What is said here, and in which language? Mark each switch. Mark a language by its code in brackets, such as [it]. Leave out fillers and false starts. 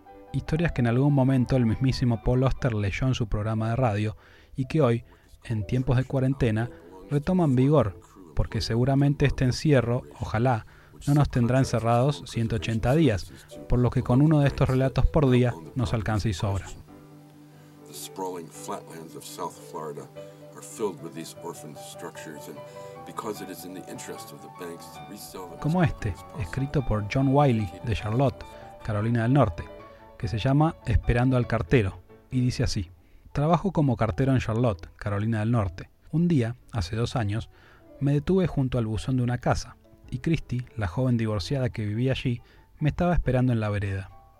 [es] Historias que en algún momento el mismísimo Paul Auster leyó en su programa de radio y que hoy, en tiempos de cuarentena, retoman vigor, porque seguramente este encierro, ojalá, no nos tendrá encerrados 180 días, por lo que con uno de estos relatos por día nos alcanza y sobra. [en] The sprawling flatlands of South Florida are filled with these orphaned structures, and because it is in the interest of the banks to resell them. [es] Como este, escrito por John Wiley de Charlotte, Carolina del Norte, que se llama Esperando al cartero y dice así: Trabajo como cartero en Charlotte, Carolina del Norte. Un día, hace 2 años, me detuve junto al buzón de una casa, y Christy, la joven divorciada que vivía allí, me estaba esperando en la vereda.